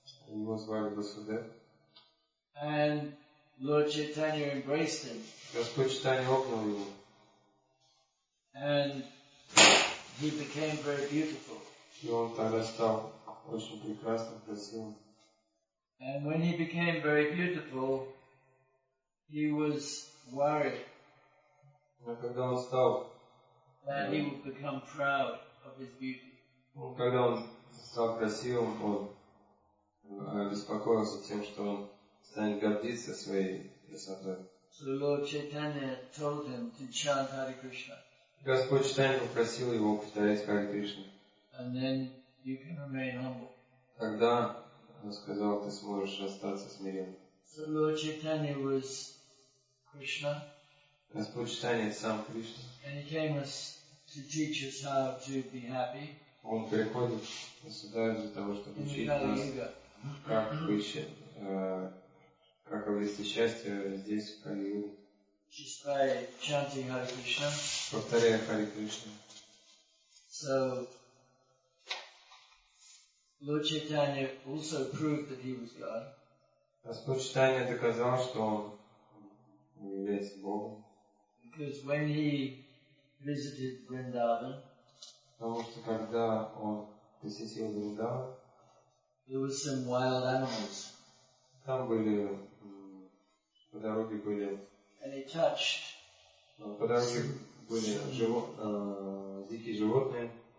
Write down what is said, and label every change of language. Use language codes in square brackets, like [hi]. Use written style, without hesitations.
[ru] Он был звали Васудев. [en] And Lord Chaitanya embraced him. [ru] Господь Чайтанья обнял его. [en] And he became very beautiful. [ru] И он тогда стал очень прекрасным, красивым. [en] And when he became very beautiful, he was worried. [ru] Но когда он стал, [en] that he would become proud of his beauty. [ru] Когда он стал красивым, он беспокоился тем, что он станет гордиться своей красотой. [en] So Lord Chaitanya told him to chant Hare Krishna. [ru] Господь Чайтанья попросил его повторять Харе Кришну. [en] And then you can remain humble. [ru] Тогда он сказал, ты сможешь остаться смиренным. [en] So Lord Chaitanya was Krishna. [ru] Господь Чайтанья сам Кришна. [en] And he came us to teach us how to be happy. [ru] Он приходит сюда для того, чтобы учить нас, как обрести счастье здесь, в Кали-Югу. Повторяя Харе Кришна. [en] So, Lord Chaitanya also proved that he was God. [ru] Господь Чайтанья доказал, что он является Богом. [en] Because when he visited Vrindavan, [ru] потому что когда он посетил Вриндаван, там были по дороге были, дикие животные.